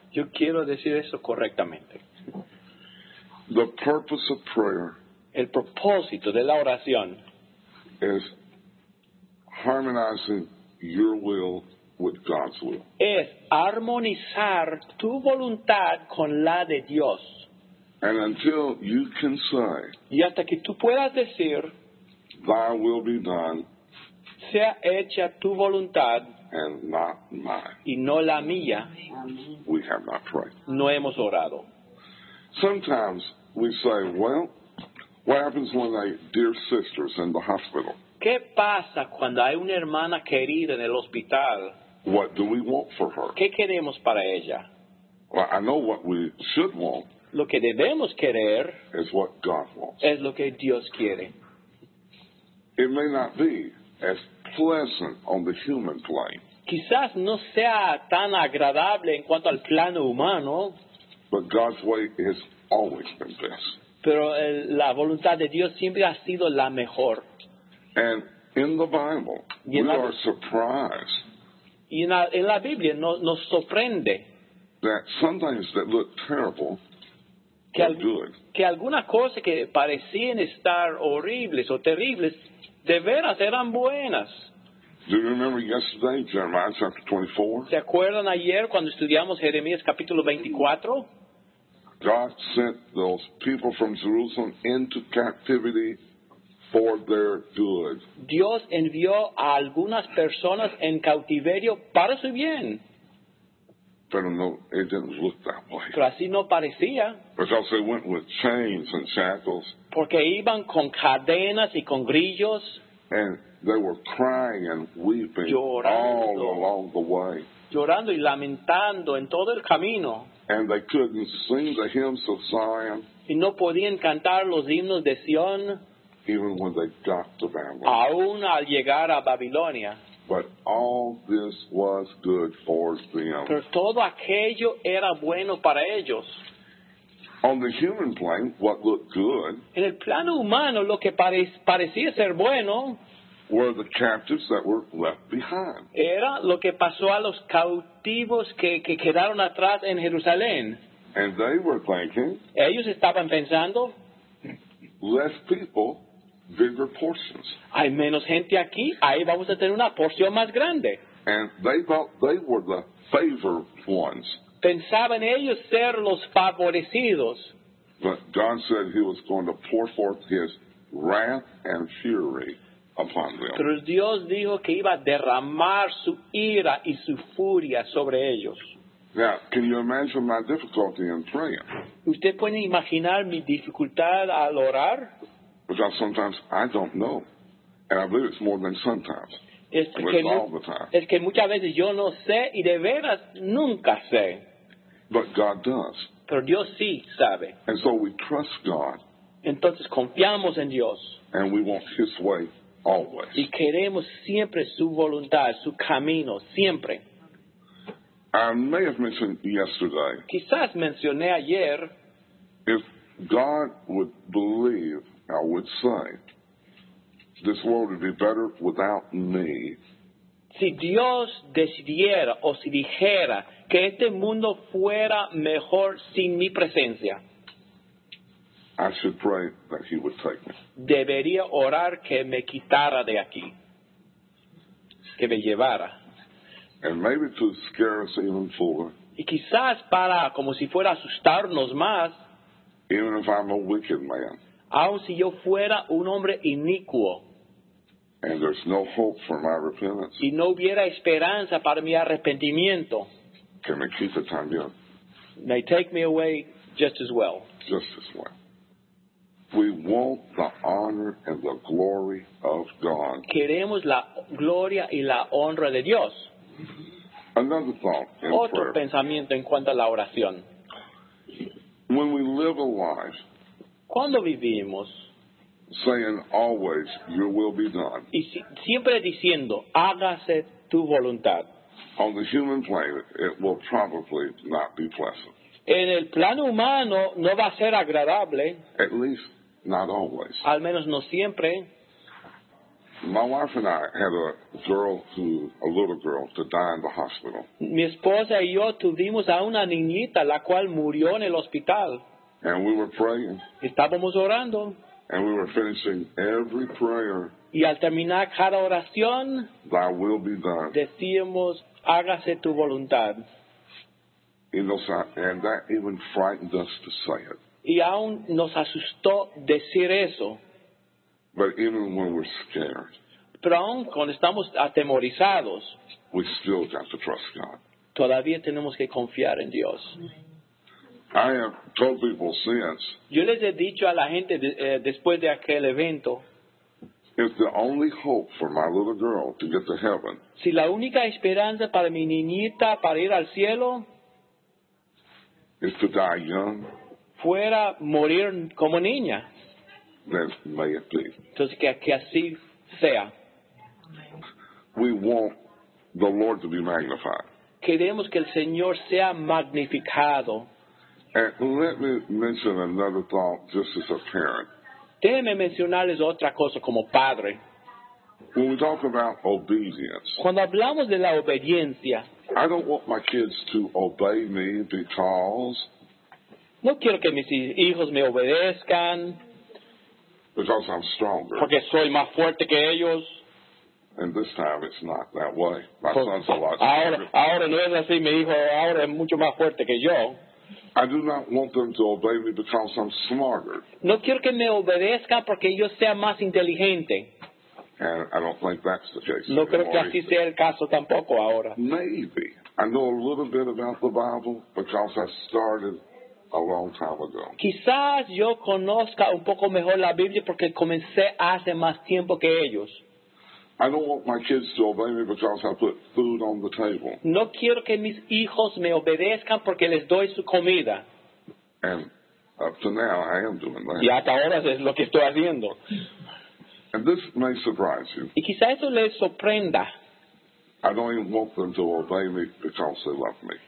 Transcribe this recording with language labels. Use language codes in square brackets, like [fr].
[es] Yo quiero decir eso correctamente. [en] The purpose of prayer. [es] El propósito de la oración. [en] Is harmonizing your will with God's will. [es] Es armonizar tu voluntad con la de Dios. [en] And until you can say. [es] Y hasta que tú puedas decir. [en] Thy will be done. [es] Sea hecha tu voluntad. [en] And not mine. [es] Y no la mía. [en] We have not prayed. [es] No hemos orado. [en] Sometimes we say, well, what happens when a dear sister's in the hospital? [es] ¿Qué pasa cuando hay una hermana querida en el hospital? [en] What do we want for her? [es] ¿Qué queremos para ella? [en] Well, I know what we should want. [es] Lo que debemos querer [en] is what God wants. [es] Es lo que Dios quiere. [en] It may not be as pleasant on the human plane. [es] Quizás no sea tan agradable en cuanto al plano humano. [en] But God's way has always been best. [es] Pero la voluntad de Dios siempre ha sido la mejor. [en] And in the Bible, are surprised. [es] Y en la Biblia nos sorprende. [en] That sometimes that look terrible. [es] Que algunas cosas que parecían estar horribles o terribles, de veras eran buenas. [en] Do you remember yesterday, Jeremiah chapter 24? [es] ¿Se acuerdan ayer cuando estudiamos Jeremías capítulo 24? [en] God sent those people from Jerusalem into captivity for their good. [es] Dios envió a algunas personas en cautiverio para su bien. Pero no, [en] it didn't look that way. [es] Pero así no parecía. [en] Because they went with chains and shackles. [es] Porque iban con cadenas y con grillos. [en] And they were crying and weeping all along the way. [es] Llorando y lamentando en todo el camino. [en] And they couldn't sing the hymns of Zion. [es] Y no podían cantar los himnos de Sion. [en] Even when they got to Babylon. [es] Aún al llegar a Babilonia. [en] But all this was good for them. [es] Pero todo aquello era bueno para ellos. [en] On the human plane, what looked good. [es] En el plano humano, lo que parecía ser bueno. [en] Were the captives that were left behind. [es] Era lo que pasó a los cautivos que quedaron atrás en Jerusalén. [en] And they were thinking. [es] Ellos estaban pensando. [en] Less people. Bigger portions. [es] Hay menos gente aquí, ahí vamos a tener una porción más grande. [en] And they thought they were the favored ones. [es] Pensaban ellos ser los favorecidos. [en] But God said he was going to pour forth his wrath and fury upon them. [es] Pero Dios dijo que iba a derramar su ira y su furia sobre ellos. [en] Now, can you imagine my difficulty in praying? [es] ¿Usted puede imaginar mi dificultad al orar? [en] Because sometimes I don't know. And I believe it's more than sometimes. All the time. [es] Es que muchas veces yo no sé y de veras nunca sé. [en] But God does. [es] Pero Dios sí sabe. [en] And so we trust God. [es] Entonces confiamos en Dios. [en] And we want His way always. [es] Y queremos siempre su voluntad, su camino, siempre. [en] I may have mentioned yesterday. [es] Quizás mencioné ayer. [en] If God would believe. I would say, this world would be better without me. [es] Si Dios decidiera o si dijera que este mundo fuera mejor sin mi presencia, [en] I should pray that he would take me. [es] Debería orar que me quitara de aquí, que me llevara. [en] And maybe to scare us even further. [es] Y quizás para, como si fuera asustarnos más. [en] Even if I'm a wicked man. [es] Aun si yo fuera un hombre inicuo. [en] And there's no hope for my repentance. [es] Y no hubiera esperanza para mi arrepentimiento. [en] Can they keep the time young? They take me away just as well. Just as well. We want the honor and the glory of God. [es] Queremos la gloria y la honra de Dios. [en] Another thought in [es] Otro [en] prayer. [es] Pensamiento en cuanto a la oración. [en] When we live a life, [es] cuando vivimos, [en] saying always, your will be done. [es] Y siempre diciendo, hágase tu voluntad. [en] On the human plane, it will probably not be pleasant. [es] En el plano humano, no va a ser agradable. [en] At least, not always. [es] Al menos no siempre. [en] My wife and I had a little girl, to die in the hospital. [es] Mi esposa y yo tuvimos a una niñita, la cual murió en el hospital. [en] And we were praying. [es] Estábamos orando. [en] And we were finishing every prayer. [es] Y al terminar cada oración, [en] Thy will be done. [es] Decíamos, hágase tu voluntad. [en] And that even frightened us to say it. [es] Y aún nos asustó decir eso. [en] But even when we're scared, [es] pero aún cuando estamos atemorizados, [en] we still got to trust God. [es] Todavía tenemos que confiar en Dios. [en] I have told people since. [es] Yo les he dicho a la gente después de aquel evento. [en] If the only hope for my little girl to get to heaven. [es] Si la única esperanza para mi niñita para ir al cielo. [en] Is to die young. [es] Fuera morir como niña. [en] Then may it be. [es] Entonces que así sea. [en] We want the Lord to be magnified. [es] Queremos que el Señor sea magnificado. [en] And let me mention another thought just as a parent. [es] Déjeme mencionarles otra cosa como padre. [en] When we talk about obedience, [es] cuando hablamos de la obediencia, [en] I don't want my kids to obey me because [es] no quiero que mis hijos me obedezcan [en] because I'm stronger. [es] Porque soy más fuerte que ellos. [en] And this time it's not that way. My son's a lot stronger. [es] Ahora no es así, mi hijo. Ahora es mucho más fuerte que yo. [en] I do not want them to obey me because I'm smarter. [es] No quiero que me obedezcan porque yo sea más inteligente. [en] And I don't think that's the case. [es] No creo que así sea el caso tampoco ahora. [en] Maybe. I know a little bit about the Bible because I started a long time ago. [es] Quizás yo conozca un poco mejor la Biblia porque comencé hace más tiempo que ellos. [en] I don't want my kids to obey me because I put food on the table. [es] No quiero que mis hijos me obedezcan porque les doy su comida. [en] And up to now, I am doing that. [es] Y hasta ahora es lo que estoy haciendo. [en] And this may surprise you. [es] Y quizá eso les sorprenda. [en] I don't even want them to obey me because they love me.